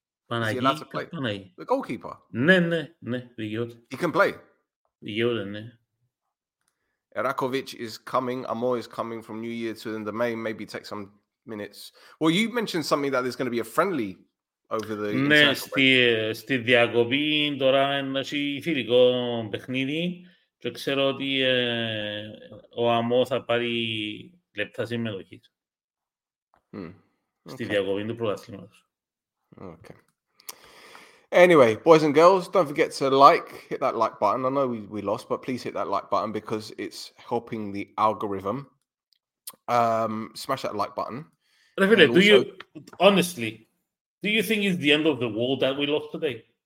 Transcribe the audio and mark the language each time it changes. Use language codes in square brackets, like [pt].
[en] Panayi? Is he allowed to play? Panayi. The goalkeeper? [el] Ναι. [en] He can play? [el] Δικαιώται, ναι. [en] Erakovic is coming. Amor is coming from New Year to end of May. Maybe take some minutes. Well, you mentioned something that there's going to be a friendly over the... [el] Ναι, στη διακοπή τώρα είναι φιλικό παιχνίδι. Και ξέρω ότι ο Amor θα πάρει λεπτά συμμετοχή. Στη διακοπή του πρωταθλήματος. [en] Okay. Anyway, boys and girls, don't forget to like, hit that like button. I know we lost, but please hit that like button because it's helping the algorithm. Smash that like button. Rafael, do you honestly, do you think it's the end of the world that we lost today?